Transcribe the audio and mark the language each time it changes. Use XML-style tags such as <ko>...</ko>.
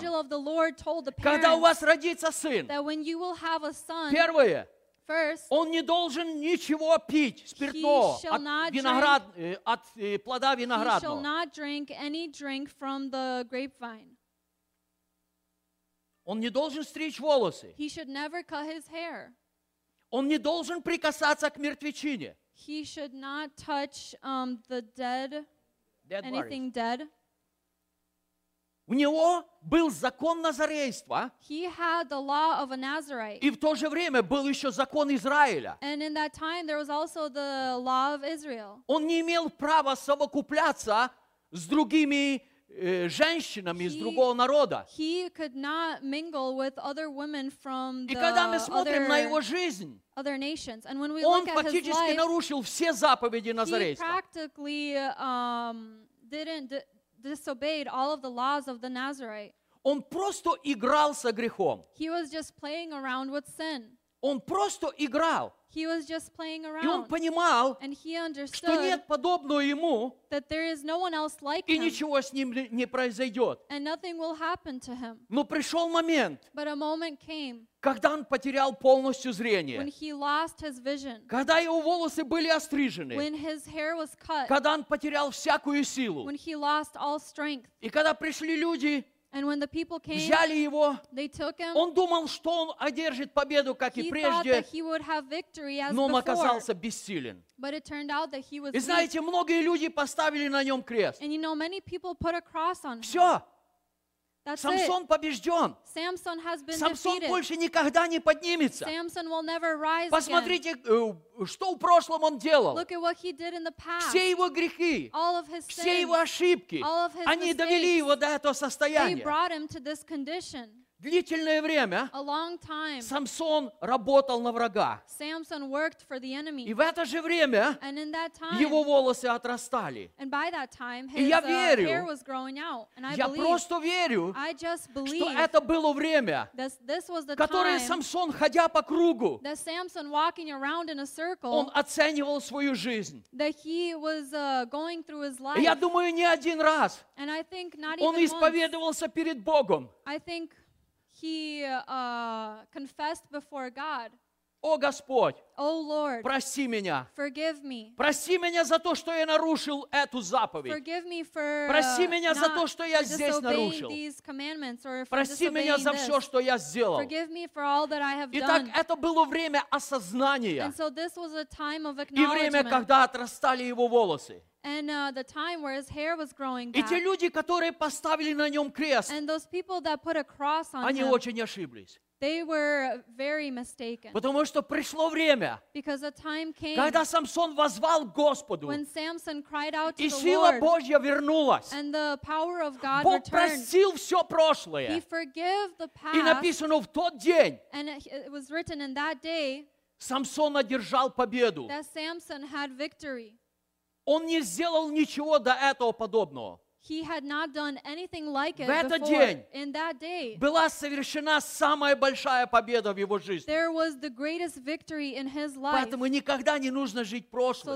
<en>the angel of the Lord told the parents,</en> <ru>когда у вас родится сын,</ru> <en>that when you will have a son,</en> <ru>первое,</ru> <en>first,</en> <ru>он не должен ничего пить, спиртного,</ru> <en>he shall not</en> <ru>от, виноград,</ru> <en>drink,</en> <ru>от плода виноградного.</ru> <en>He shall not drink any drink from the grapevine.</en> <ru>Он не должен стричь волосы.</ru> <en>He should never cut his hair.</en> <ru>Он не должен прикасаться к мертвечине.</ru> <en>He should not touch the dead, dead anything bodies. Dead.</en> <ru>У него был закон назарейства.</ru> <en>He had the law of a Nazarite.</en> <ru>И в то же время был еще закон Израиля.</ru> <en>And in that time there was also the law of Israel.</en> <ru>Он не имел права совокупляться с другими женщинами из другого народа.</ru> <en>He could not mingle with other women from the</en> <ru>и когда мы смотрим на его жизнь,</ru> <en>other nations. And when we</en> <ru>он</ru> <en>look</en> <ru>фактически</ru> <en>at his life,</en> <ru>нарушил все заповеди Назарейства.</ru> <en>He practically didn't disobeyed all of the laws of the Nazarite.</en> <ru>Он просто играл со грехом.</ru> <en>He was just playing around with sin.</en> <ru>Он просто играл.</ru> <en>He was just playing around.</en> <ru>И он понимал,</ru> <en>and he understood</en> <ru>что нет подобного ему,</ru> <en>that there is no one else like</en> <ru>и</ru> <en>him,</en> <ru>ничего с ним не произойдет.</ru> <en>And nothing will happen to him.</en> <ru>Но пришел момент,</ru> <en>but a moment came,</en> <ru>когда он потерял полностью зрение,</ru> <en>when he lost his vision,</en> <ru>когда его волосы были острижены,</ru> <en>when his hair was cut,</en> <ru>когда он потерял всякую силу,</ru> <en>when he lost all strength.</en> <ru>И когда пришли люди,</ru> <en>and when the people came,</en> <ru>взяли его,</ru> <en>they took him.</en> <ru>Он думал, что он одержит победу, как</ru> <en>he</en> <ru>и прежде,</ru> <en>thought that he would have victory as</en> <ru>но он</ru> <en>before.</en> <ru>Оказался бессилен.</ru> <en>But it turned out that he was</en> <ru>и</ru> <en>weak.</en> <ru>Знаете, многие люди поставили на нем крест.</ru> <en>And you know, many people put a cross on him.</en> <ru>Все.</ru> <en>That's</en> <ru>Самсон</ru> <en>it.</en> <ru>Побежден.</ru> <en>Samson has been</en> <ru>Самсон</ru> <en>defeated.</en> <ru>Больше никогда не поднимется.</ru> <en>Samson will never rise</en> <ru>посмотрите,</ru> <en>again.</en> <ru>Что в прошлом он делал.</ru> <en>Look at what he did in the past.</en> <ru>Все его грехи,</ru> <en>all of his</en> <ru>все</ru> <en>sins,</en> <ru>его ошибки,</ru> <en>all of his</en> <ru>они</ru> <en>mistakes,</en> <ru>довели его до этого состояния.</ru> <en>They brought him to this condition.</en> <ru>Длительное время</ru> <en>a long time,</en> <ru>Самсон работал на врага.</ru> <en>Samson worked for the enemy.</en> <ru>И в это же время</ru> <en>and in that time,</en> <ru>его волосы отрастали.</ru> <en>And by that time, his,</en> <ru>и я верю,</ru> <en>hair was growing out. And I</en> <ru>я</ru> <en>believe,</en> <ru>просто верю,</ru> <en>I just believe,</en> <ru>что это было время,</ru> <en>this was the</en> <ru>которое</ru> <en>time,</en> <ru>Самсон, ходя по кругу,</ru> <en>that Samson walking around in a circle,</en> <ru>он оценивал свою жизнь.</ru> <en>That he was, going through his life.</en> <ru>И я думаю, не один раз</ru> <en>and I think not</en> <ru>он</ru> <en>even</en> <ru>исповедовался</ru> <en>once,</en> <ru>перед Богом.</ru> <en>I think he confessed before God.</en> <ru>О Господь,</ru> <en>O Lord,</en> <ru>прости меня.</ru> <en>Forgive me.</en> <ru>Прости меня за то, что я нарушил эту заповедь.</ru> <en>Forgive me for</en> <ru>прости меня за то, что я здесь нарушил.</ru> <en>These commandments or</en> <ru>прости меня за все,</ru> <en>this.</en> <ru>Что я сделал.</ru> <en>Forgive me for all that I have</en> <ru>итак,</ru> <en>done.</en> <ru>Это было время осознания.</ru> <en>And so this was a time of acknowledgement.</en> <ru>И время, когда отрастали его волосы.</ru> <en>And the time where his hair was growing back.</en> <ru>И те люди, которые поставили на нем крест,</ru> <en>and those people that put a cross on</en> <ru>они</ru> <en>him,</en> <ru>очень ошиблись.</ru> <en>They were very mistaken.</en> <ru>Потому что пришло время,</ru> <en>because a time came,</en> <ru>когда Самсон возвал к Господу,</ru> <en>when Samson cried out to</en> <ru>и сила</ru> <en>the Lord,</en> <ru>Божья вернулась,</ru> <en>and the power of God</en> <ru>Бог</ru> <en>returned.</en> <ru>Простил все прошлое.</ru> <en>He forgave the past,</en> <ru>и написано в тот день,</ru> <en>and it was written in that day,</en> <ru>Самсон одержал победу.</ru> <en>That Samson had victory.</en> <ru>Он не сделал ничего до этого подобного.</ru> <en>He had not done anything like it</en> <ru>в этот</ru> <en>before.</en> <ru>День</ru> <en>In that day,</en> <ru>была совершена самая большая победа в его жизни.</ru> <en>There was the greatest victory in his life.</en> <ru>Поэтому никогда не нужно жить прошлым.</ru>